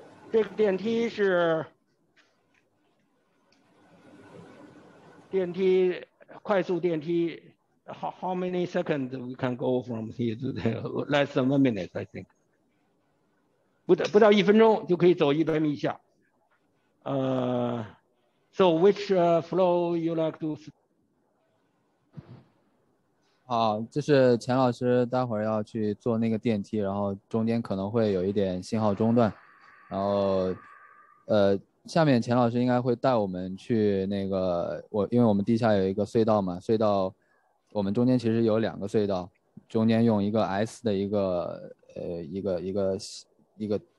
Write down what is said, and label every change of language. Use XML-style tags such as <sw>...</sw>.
<zh>这个电梯是电梯，快速电梯。</zh> <en>How many seconds we can go from here to there? Less than 1 minute, I think.</en> <zh>不到一分钟就可以走100米以下。</zh> <en>So which flow you like to?</en> <zh>好，这是钱老师待会儿要去坐那个电梯，然后中间可能会有一点信号中断，然后下面钱老师应该会带我们去那个，因为我们地下有一个隧道嘛，隧道我们中间其实有两个隧道，中间用一个 S 的一个</zh>